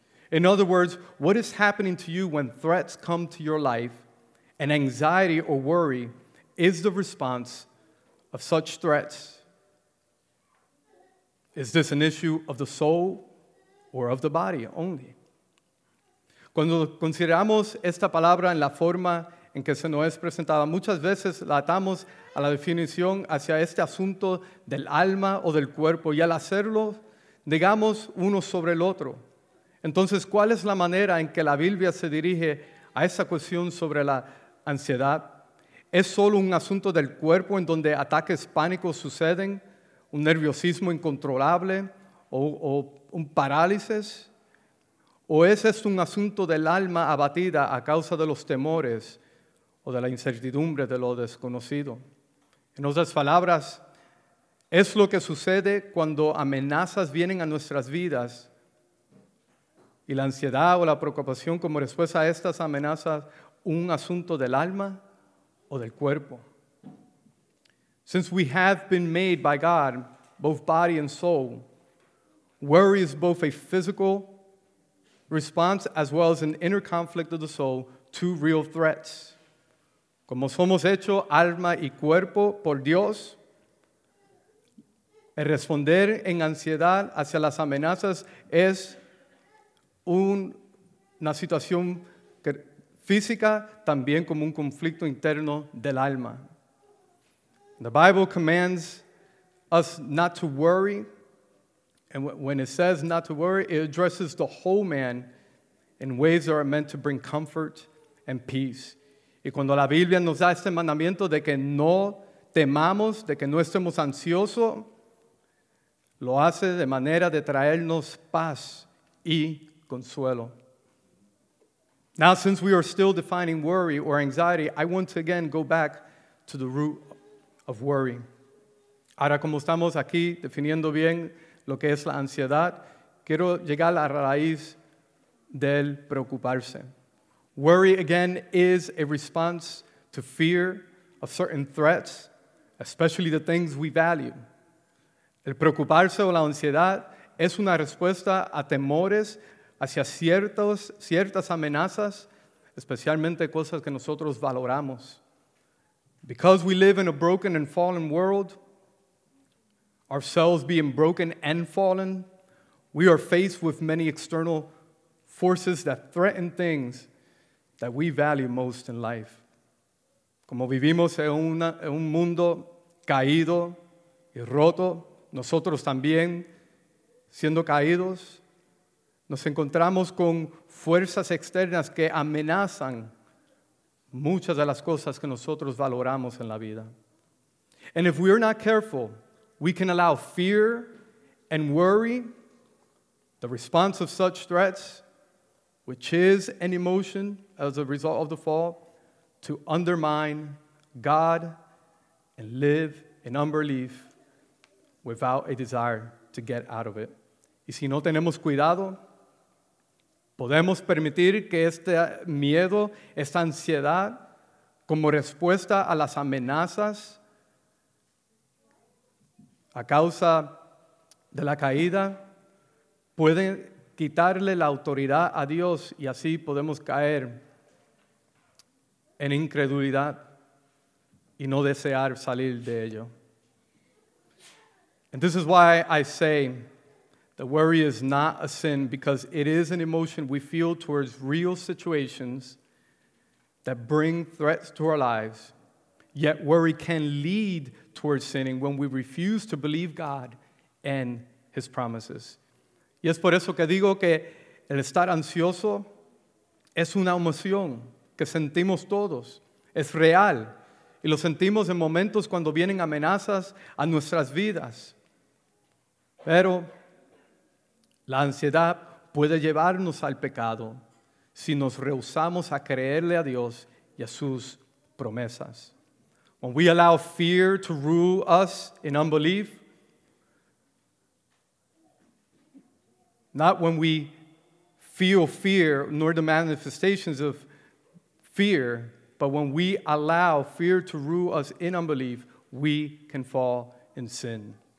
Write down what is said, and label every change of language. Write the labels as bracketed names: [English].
[English] In other words, what is happening to you when threats come to your life and anxiety or worry is the response of such threats? Is this an issue of the soul or of the body only? [Spanish] Cuando consideramos esta palabra en la forma en que se nos es presentada, muchas veces la atamos a la definición hacia este asunto del alma o del cuerpo, y al hacerlo, negamos uno sobre el otro. Entonces, ¿cuál es la manera en que la Biblia se dirige a esa cuestión sobre la ansiedad? ¿Es solo un asunto del cuerpo en donde ataques pánicos suceden, un nerviosismo incontrolable o un parálisis? ¿O es esto un asunto del alma abatida a causa de los temores o de la incertidumbre de lo desconocido? En otras palabras, ¿es lo que sucede cuando amenazas vienen a nuestras vidas y la ansiedad o la preocupación como respuesta a estas amenazas un asunto del alma o del cuerpo? [English] Since we have been made by God, both body and soul, worry is both a physical response as well as an inner conflict of the soul, two real threats. [Spanish] Como somos hecho alma y cuerpo por Dios, el responder en ansiedad hacia las amenazas es una situación física, también como un conflicto interno del alma. [English] The Bible commands us not to worry. And when it says not to worry, it addresses the whole man in ways that are meant to bring comfort and peace. [Spanish] Y cuando la Biblia nos da este mandamiento de que no temamos, de que no estemos ansiosos, lo hace de manera de traernos paz y consuelo. [English] Now, since we are still defining worry or anxiety, I want to again go back to the root of worry. [Spanish] Ahora, como estamos aquí definiendo bien lo que es la ansiedad, quiero llegar a la raíz del preocuparse. [English] Worry, again, is a response to fear of certain threats, especially the things we value. [Spanish] El preocuparse o la ansiedad es una respuesta a temores hacia ciertas amenazas, especialmente cosas que nosotros valoramos. [English] Because we live in a broken and fallen world, ourselves being broken and fallen, we are faced with many external forces that threaten things that we value most in life. [Spanish] Como vivimos en un mundo caído y roto, nosotros también, siendo caídos, nos encontramos con fuerzas externas que amenazan muchas de las cosas que nosotros valoramos en la vida. [English] And if we're not careful, we can allow fear and worry, the response of such threats, which is an emotion as a result of the fall, to undermine God and live in unbelief without a desire to get out of it. [Spanish] Y si no tenemos cuidado, podemos permitir que este miedo, esta ansiedad, como respuesta a las amenazas, a causa de la caída, pueden quitarle la autoridad a Dios y así podemos caer en incredulidad y no desear salir de ello. [English] And this is why I say that worry is not a sin, because it is an emotion we feel towards real situations that bring threats to our lives. Yet worry can lead towards sinning when we refuse to believe God and His promises. [Spanish] Y es por eso que digo que el estar ansioso es una emoción que sentimos todos. Es real. Y lo sentimos en momentos cuando vienen amenazas a nuestras vidas. Pero la ansiedad puede llevarnos al pecado si nos rehusamos a creerle a Dios y a sus promesas. [English] When we allow fear to rule us in unbelief, not when we feel fear nor the manifestations of fear, but when we allow fear to rule us in unbelief, we can fall in sin.